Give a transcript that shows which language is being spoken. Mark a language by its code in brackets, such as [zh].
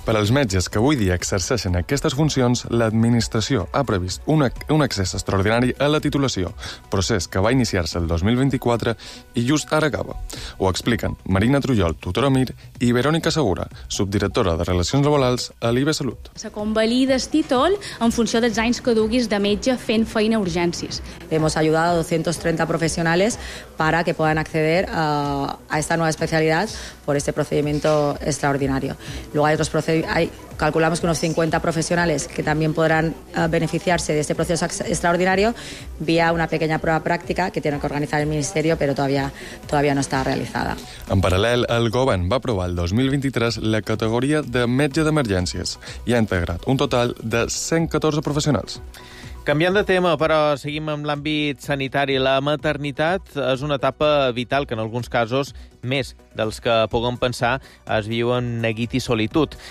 [ca] Per als metges que avui dia exerceixen aquestes funcions, l'administració ha previst un accés extraordinari a la titulació, procés que va iniciar-se el 2024 i just ara acaba. Ho expliquen Marina Trullol, tutora MIR, i Verònica Segura, subdirectora de Relacions Laborals a l'IB Salut. Se convalida el títol en funció dels anys que duguis de metge fent feina a urgències. [es] Hemos ayudado a 230 profesionales para que puedan acceder a esta nueva especialidad por este procedimiento extraordinario. Luego hay otros calculamos que unos 50 profesionales que también podrán beneficiarse de este proceso extraordinario vía una pequeña prueba práctica que tiene que organizar el Ministerio, pero todavía no está realizada. [ca] En paral·lel, el govern va aprovar el 2023 la categoria de metge d'emergències i ha integrat un total de 114 professionals. Canviant de tema, però seguim amb l'àmbit sanitari. La maternitat és una etapa vital que en alguns casos, més dels que puguem pensar, es viu en neguit i solitud.